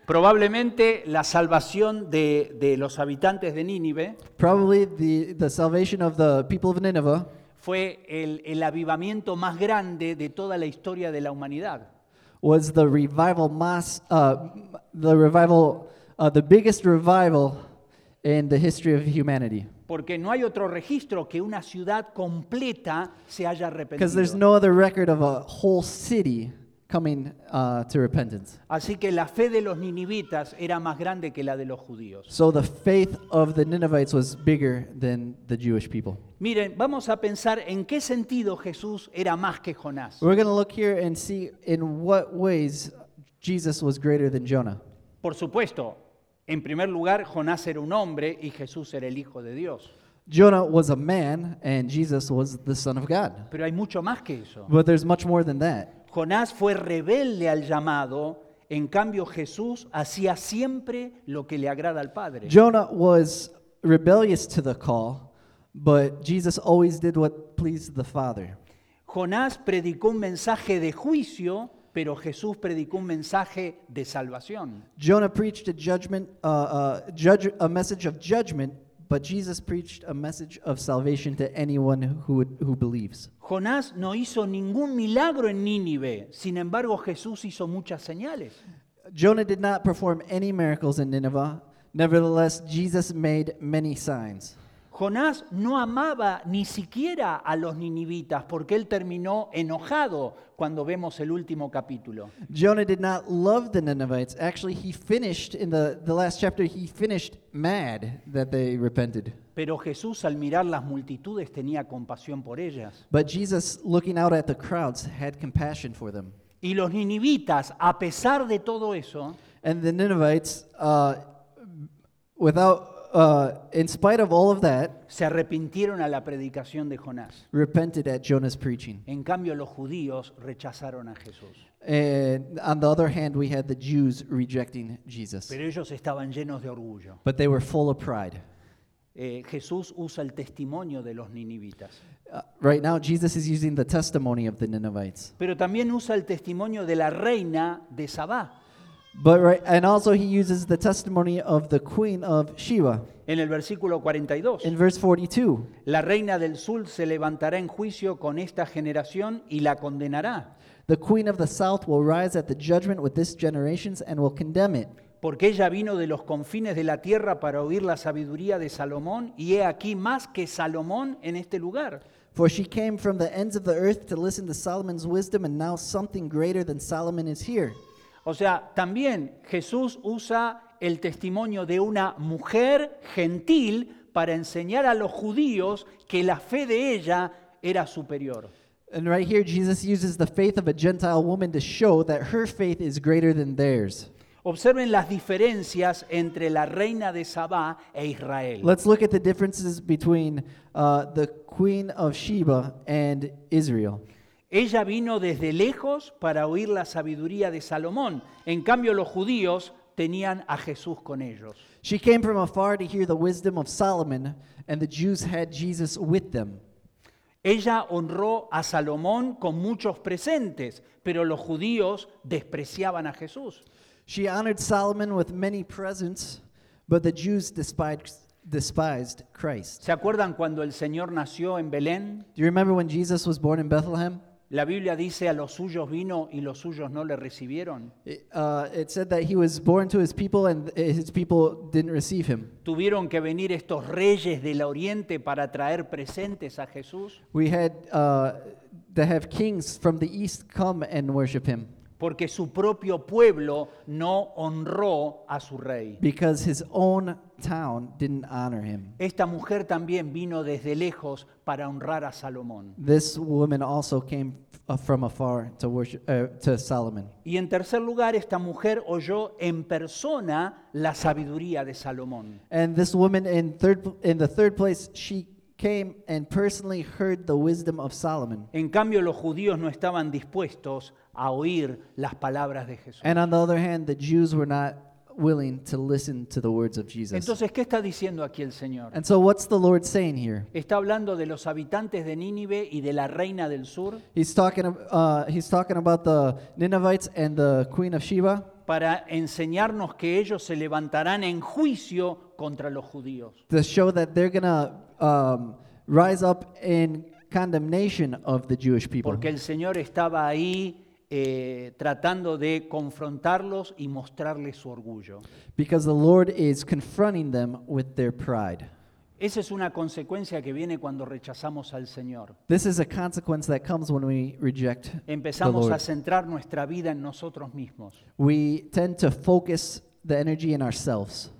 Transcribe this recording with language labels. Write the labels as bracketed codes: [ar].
[es] Probablemente la salvación de los habitantes de Nínive, [en] probably the salvation of the people of Nineveh, [es] fue el avivamiento más grande de toda la historia de la humanidad. [en] Was the revival the biggest revival in the history of humanity. [es] Porque no hay otro registro que una ciudad completa se haya arrepentido. [en] Because there's no other record of a whole city coming to repentance. [es] Así que la fe de los ninivitas era más grande que la de los judíos. [en] So the faith of the Ninevites was bigger than the Jewish people. [es] Miren, vamos a pensar en qué sentido Jesús era más que Jonás. [en] We're going to look here and see in what ways Jesus was greater than Jonah. [es] Por supuesto, en primer lugar, Jonás era un hombre y Jesús era el Hijo de Dios. [en] Jonah was a man and Jesus was the Son of God. [es] Pero hay mucho más que eso. [en] But there's much more than that. [es] Jonás fue rebelde al llamado, en cambio Jesús hacía siempre lo que le agrada al Padre. [en] Jonah was rebellious to the call, but Jesus always did what pleased the Father. [es] Jonás predicó un mensaje de juicio, pero Jesús predicó un mensaje de salvación. [en] Jonah preached a judgment, a message of judgment, but Jesus preached a message of salvation to anyone who believes. [es] Jonás no hizo ningún milagro en Nínive, sin embargo Jesús hizo muchas señales. [en] Jonah did not perform any miracles in Nineveh. Nevertheless, Jesus made many signs. [es] Jonás no amaba ni siquiera a los ninivitas porque él terminó enojado cuando vemos el último capítulo. [en] Jonah did not love the Ninevites. Actually, he finished in the last chapter, he finished mad that they repented. [es] Pero Jesús, al mirar las multitudes, tenía compasión por ellas. [en] But Jesus, looking out at the crowds, had compassion for them. [es] Y los ninivitas, a pesar de todo eso, [en] and the Ninevites, without in spite of all of that, [es] se arrepintieron a la predicación de Jonás. [en] Repented at Jonah's preaching. [es] En cambio, los judíos rechazaron a Jesús. [en] And on the other hand, we had the Jews rejecting Jesus. [es] Pero ellos estaban llenos de orgullo. [en] But they were full of pride. [es] Jesús usa el testimonio de los ninivitas. [en] Right now, Jesus is using the testimony of the Ninevites. [es] Pero también usa el testimonio de la reina de Sabá. [en] But right, and also he uses the testimony of the queen of Sheba. [es] En el versículo 42. [en] In verse 42. [es] La reina del sur se levantará en juicio con esta generación y la condenará. [en] The queen of the south will rise at the judgment with this generation and will condemn it. [es] Porque ella vino de los confines de la tierra para oír la sabiduría de Salomón, y he aquí más que Salomón en este lugar. [en] For she came from the ends of the earth to listen to Solomon's wisdom, and now something greater than Solomon is here. [es] O sea, también Jesús usa el testimonio de una mujer gentil para enseñar a los judíos que la fe de ella era superior. [en] And right here, Jesus uses the faith of a Gentile woman to show that her faith is greater than theirs. [es] Observen las diferencias entre la reina de Sabá e Israel. [en] Let's look at the differences between the queen of Sheba and Israel. [es] Ella vino desde lejos para oír la sabiduría de Salomón. En cambio, los judíos tenían a Jesús con ellos. [en] She came from afar to hear the wisdom of Solomon, and the Jews had Jesus with them. [es] Ella honró a Salomón con muchos presentes, pero los judíos despreciaban a Jesús. [en] She honored Solomon with many presents, but the Jews despised Christ. [es] ¿Se acuerdan cuando el Señor nació en Belén? [en] Do you remember when Jesus was born in Bethlehem? [es] La Biblia dice a los suyos vino y los suyos no le recibieron. [en] It said that he was born to his people and his people didn't receive him. [es] Tuvieron que venir estos reyes del Oriente para traer presentes a Jesús. [en] We had to have kings from the east come and worship him. [es] Porque su propio pueblo no honró a su rey. [en] Because his own town didn't honor him. [es] Esta mujer también vino desde lejos para honrar a Salomón. [en] This woman also came from afar to worship to Solomon. [es] Y en tercer lugar, esta mujer oyó en persona la sabiduría de Salomón. [en] And this woman in the third place, she came and personally heard the wisdom of Solomon. [es] En cambio, los judíos no estaban dispuestos a oír las palabras de Jesús. [en] And on the other hand, the Jews were not willing to listen to the words of Jesus. [es] Entonces, ¿qué está diciendo aquí el Señor? [en] And so what's the Lord saying here? [es] Está hablando de los habitantes de Nínive y de la reina del sur. [en] He's talking about the Ninevites and the queen of Sheba. [es] Para enseñarnos que ellos se levantarán en juicio contra los judíos. [en] To show that they're going to rise up in condemnation of the Jewish people. [es] Porque el Señor estaba ahí tratando de confrontarlos y mostrarles su orgullo. [en] Because the Lord is confronting them with their pride. [es] Esa es una consecuencia que viene cuando rechazamos al Señor. [en] This is a consequence that comes when we reject the Lord. [es] Empezamos a centrar nuestra vida en nosotros mismos. [en] We tend to focus the energy in ourselves.